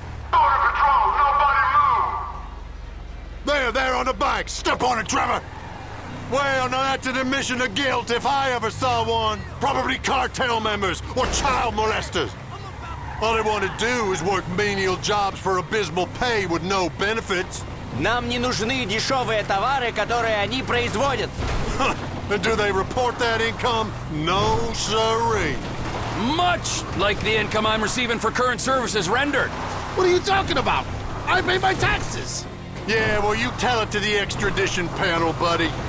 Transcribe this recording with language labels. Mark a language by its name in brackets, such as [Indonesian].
[English] Border Patrol, nobody move! There on the bike. Step on it, Trevor! Well, now that's an admission of guilt if I ever saw one. Probably cartel members or child molesters. All they want to do is work menial jobs for abysmal pay with no benefits. [Russian] Нам не нужны дешевые товары, которые они производят. [English] And do they report that income? No, sirree. Much like the income I'm receiving for current services rendered. What are you talking about? I pay my taxes. Yeah, well, you tell it to the extradition panel, buddy.